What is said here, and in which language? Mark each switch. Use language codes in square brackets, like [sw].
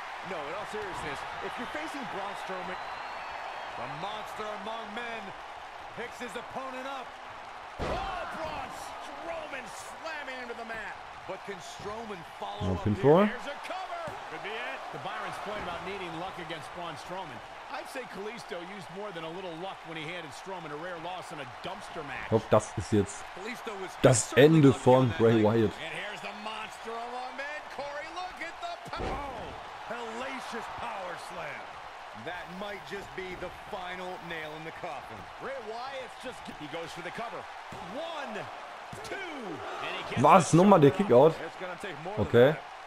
[en] No, in all seriousness, if you're facing Braun Strowman... The monster among men picks his opponent up. Oh, Braun Strowman slamming into the mat. But can Strowman follow up here? There's a cover. Could be it. To Byron's point about needing luck against Braun Strowman, I'd say Kalisto used more than a little luck when he handed Strowman a rare loss in a dumpster match. [de] Ich hoffe, das ist jetzt das Ende von Bray Wyatt. [en] And here's the monster among men. Corey, look at the power. Oh, hellacious power slam. That might just be the final nail in the coffin. Bray Wyatt just he goes for the cover. One, two. [de] Was? Nochmal der Kickout? Okay.